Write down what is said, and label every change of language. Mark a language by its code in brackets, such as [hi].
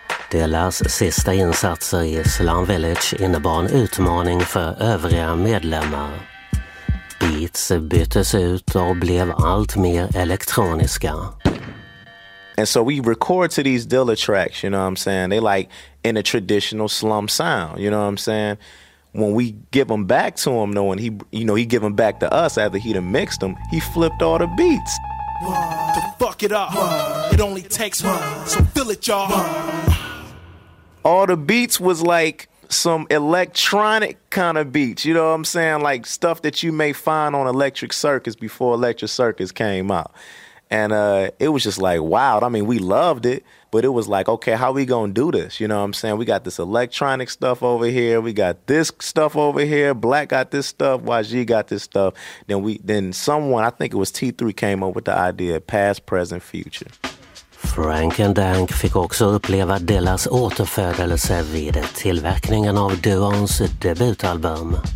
[sv] Deras sista insatser i Slum Village innebar en utmaning för övriga medlemmar. Beats byttes ut och blev allt mer elektroniska. [en] And so we record to these Dilla tracks, you know what I'm saying? They like in a traditional slum sound, you know what I'm saying? When we give them back to him, knowing he, you know, he give them back to us after he'd have mixed them, he flipped all the beats. To fuck it up, it only takes one, so fill it, y'all. All the beats was like some electronic kind of beats, you know what I'm saying? Like stuff that you may find on Electric Circus before Electric Circus came out. And it was just like wild. I mean, we loved it, but it was like, okay, how are we gonna do this? You know what I'm saying? We got this electronic stuff over here, we got this stuff over here, Black got this stuff, YG got this stuff. Then someone, I think it was T3, came up with the idea of past, present, future. [sv] Frank and Dank fick också uppleva Dillas återfödelse vid tillverkningen av duons debutalbum.